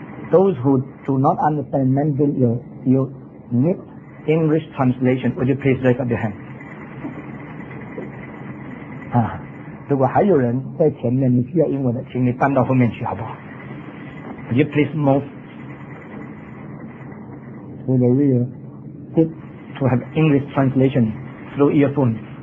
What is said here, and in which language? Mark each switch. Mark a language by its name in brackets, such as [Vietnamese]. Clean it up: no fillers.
[English] Those who do not understand Mandarin, you need English translation. Would you please raise up your hand? [Chinese] 啊，如果还有人在前面，你需要英文的，请你搬到后面去，好不好？ [English] Would you please move to the rear? Good to have English translation through earphone.